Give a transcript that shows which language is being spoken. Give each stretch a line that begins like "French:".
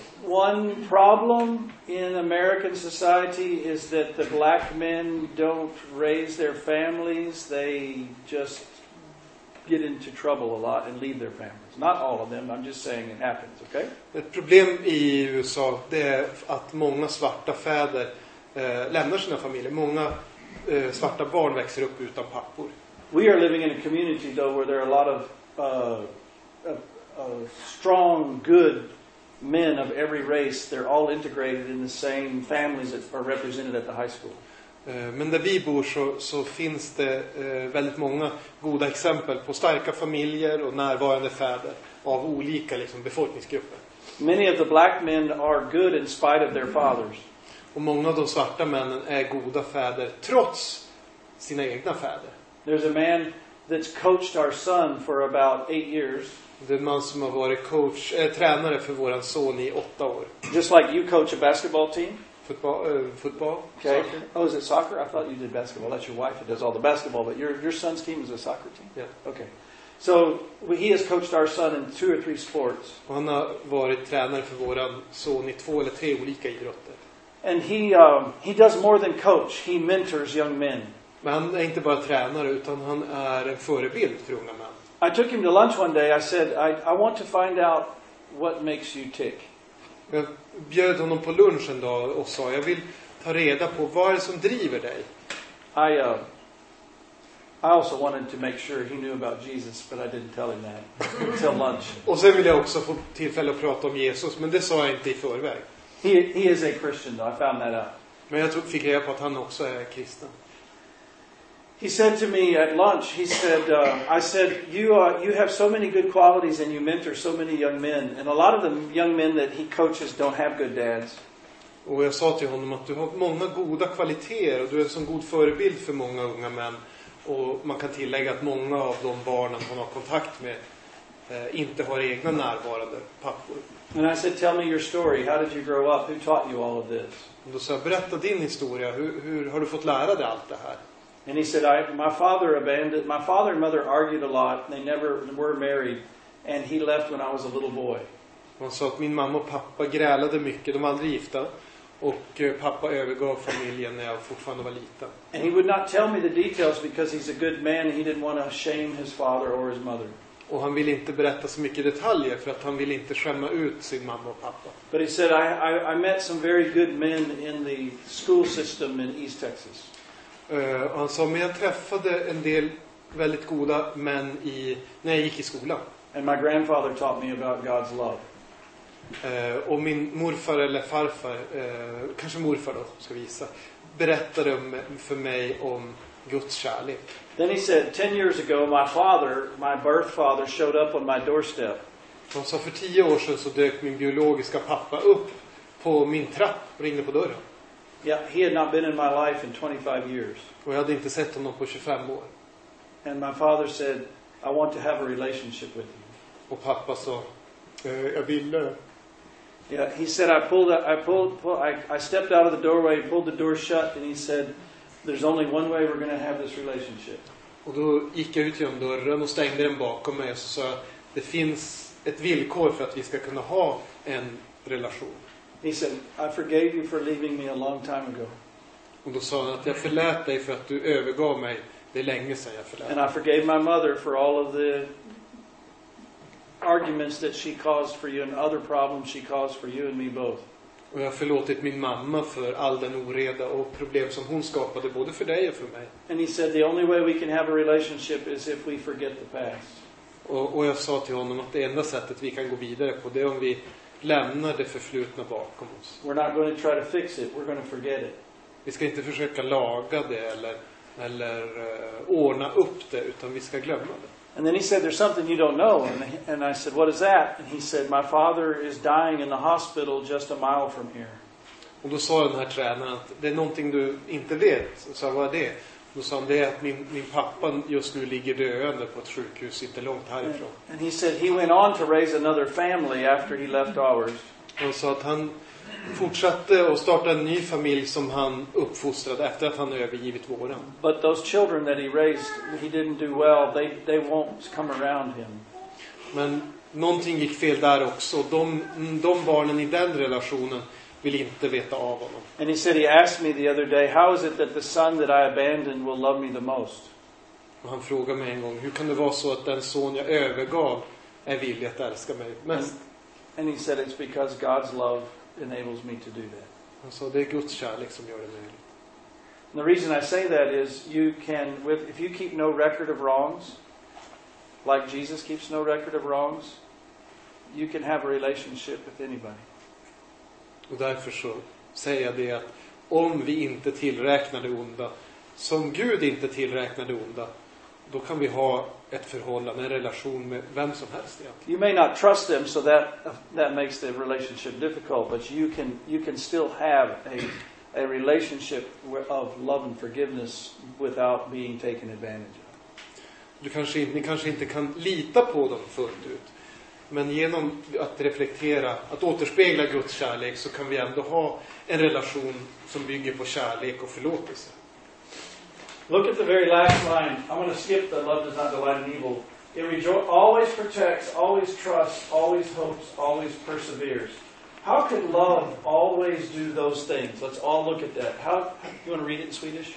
English: One problem in American society is that the black men don't raise their families, they just get into trouble a lot and leave their families. Not all of them, I'm just saying it happens, okay?
Swedish: Ett problem i USA, det är att många svarta fäder lämnar sina familjer. Många svarta barn växer upp utan pappor.
English: We are living in a community though where there are a lot of strong, good men of every race. They're all integrated in the same families that are represented at the high school.
Swedish: Men där vi bor så finns det väldigt många goda exempel på starka familjer och närvarande fäder av olika liksom befolkningsgrupper.
English: Many of the black men are good in spite of their fathers.
Swedish: Och många av de svarta männen är goda fäder trots sina egna fäder.
English: There's a man that's coached our son for about 8 years.
Swedish: Det är en man som har varit coach, tränare för våran son i 8 år.
English: Just like you coach a basketball team. Football, football. Okay. Soccer. Oh, is it soccer? I thought you did basketball. That's your wife who does all the basketball. But your son's team is a soccer team. Yeah. Okay. So well, he has coached our son in 2 or 3 sports.
Swedish: Och han har varit tränare för våran son i 2 eller 3 olika idrotter.
English: And he does more than coach. He mentors young men.
Swedish: Men han är inte bara tränare utan han är en förebild för unga män.
English: I took him to lunch one day. I said, I want to find out what makes you tick.
Swedish: Jag bjöd honom på lunch en dag och sa jag vill ta reda på vad är det som driver dig.
English: I also wanted to make sure he knew about Jesus, but I didn't tell him that until lunch.
Swedish: Och sen ville jag också få tillfälle att prata om Jesus, men det sa jag inte i förväg.
English: He is a Christian though. I found that out.
Swedish: Men jag fick reda på att han också är kristen.
English: He said to me at lunch, he said, I said, you have so many good qualities and you mentor so many young men. And a lot of the young men that he coaches don't have good dads.
Swedish: Och jag sa till honom att du har många goda kvaliteter och du är en sån god förebild för många unga män. Och man kan tillägga att många av de barnen han har kontakt med inte har egna närvarande pappor.
English: And I said, tell me your story. How did you grow up? Who taught you all of this?
Swedish: Och då sa jag, berätta din historia. Hur har du fått lära dig allt det här?
English: And he said, my father and mother argued a lot. They never were married. And he left when I was a little boy.
Swedish: Han sa att min mamma och pappa grälade mycket. De var aldrig gifta. Och pappa övergav familjen när jag fortfarande var liten.
English: And he would not tell me the details because he's a good man. He didn't want to shame his father or his mother.
Swedish: Och han ville inte berätta så mycket detaljer för att han ville inte skämma ut sin mamma och pappa.
English: But he said, I met some very good men in the school system in East Texas.
Swedish: Han sa, men jag träffade en del väldigt goda män när jag gick i skolan.
English: And my grandfather taught me about God's love.
Swedish: Och min morfar eller farfar, kanske morfar då ska vi gissa, berättade för mig om Guds kärlek.
English: Then he said, 10 years ago my birth father showed up on my doorstep.
Swedish: Han sa, för 10 år sedan så dök min biologiska pappa upp på min trapp och ringde på dörren.
English: Yeah, he had not been in my life in 25 years.
Swedish: Och jag hade inte sett honom på 25 år.
English: And my father said, I want to have a relationship with you.
Swedish: Och pappa sa, jag vill.
English: Yeah, he said, I stepped out of the doorway, pulled the door shut, and he said, there's only one way we're going to have this relationship.
Swedish: Och då gick jag ut genom dörren och stängde den bakom mig och sa, det finns ett villkor för att vi ska kunna ha en relation.
English: He said, I forgave you for leaving me a long time ago.
Swedish: Och då sa han att jag förlät dig för att du övergav mig. Det är länge sedan jag förlät.
English: And I forgave my mother for all of the arguments that she caused for you and other problems she caused for you and me both.
Swedish: Och jag förlåtit min mamma för all den oreda och problem som hon skapade både för dig och för mig.
English: And he said, the only way we can have a relationship is if we forget the past.
Swedish: Och jag sa till honom att det enda sättet vi kan gå vidare på det är om vi lämna det förflutna bakom oss.
English: We're not going to try to fix it. We're going to forget it.
Swedish: Vi ska inte försöka laga det eller ordna upp det, utan vi ska glömma det.
English: And then he said, there's something you don't know. And I said, what is that? And he said, my father is dying in the hospital just a mile from here.
Swedish: Och då sa den här tränaren att det är någonting du inte vet. Och sa, vad är det? Då sa han, det är att min pappa just nu ligger döende på ett sjukhus inte långt härifrån.
English: And he said he went on to raise another family after he left ours.
Swedish: Och sa att han fortsatte och startade en ny familj som han uppfostrade efter att han övergivit våren.
English: But those children that he raised, he didn't do well. They won't come around him.
Swedish: Men någonting gick fel där också. De barnen i den relationen vill inte veta av honom.
English: And he said he asked me the other day, how is it that the son that I abandoned will love me the most?
Swedish: Och han frågade mig en gång, hur kan det vara så att den son jag övergav är villig att älska mig mest?
English: And he said it's because God's love enables me to do that.
Swedish: Han sa, det är Guds kärlek som gör det möjligt.
English: And the reason I say that is you can, if you keep no record of wrongs, like Jesus keeps no record of wrongs, you can have a relationship with anybody.
Swedish: Och därför så säger jag det att om vi inte tillräknar det onda, som Gud inte tillräknar det onda, då kan vi ha ett förhållande, en relation med vem som helst.
English: You may not trust them, so that makes the relationship difficult, but you can still have a relationship of love and forgiveness without being taken advantage of.
Swedish: Ni kanske inte kan lita på dem fullt ut, men genom att reflektera, att återspegla Guds kärlek, så kan vi ändå ha en relation som bygger på kärlek och förlåtelse.
English: Look at the very last line. I'm going to skip that love does not delight in evil. It always protects, always trusts, always hopes, always perseveres. How can love always do those things? Let's all look at that. How you want to read it in Swedish?